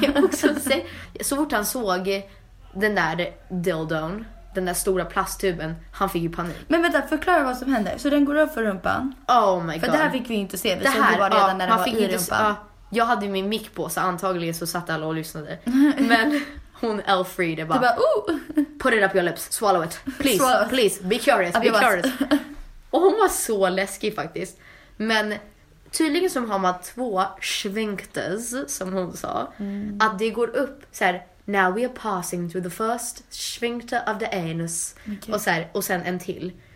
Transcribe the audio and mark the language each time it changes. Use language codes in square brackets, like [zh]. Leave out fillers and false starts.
[sv] Nej, också, så fort han såg den där dildon, den där stora plasttuben, han fick ju panik. Men vänta, förklara vad som hände. Så den går upp för rumpan. [en] Oh my [sv] god. För det här fick vi inte se. Vi det såg här, det bara redan när den var i rumpan. Jag hade ju min mic på, så antagligen så satt alla och lyssnade. Men hon Elfriede bara, [en] put it up your lips, swallow it, please, please, be curious. [sv] Och hon var så läskig faktiskt. Men tydligen som har man 2 schwinkters, som hon sa, att det går upp så här, [en] now we are passing through the first schwinkter of the anus. Okay. [sv] Och så här, och sen en till.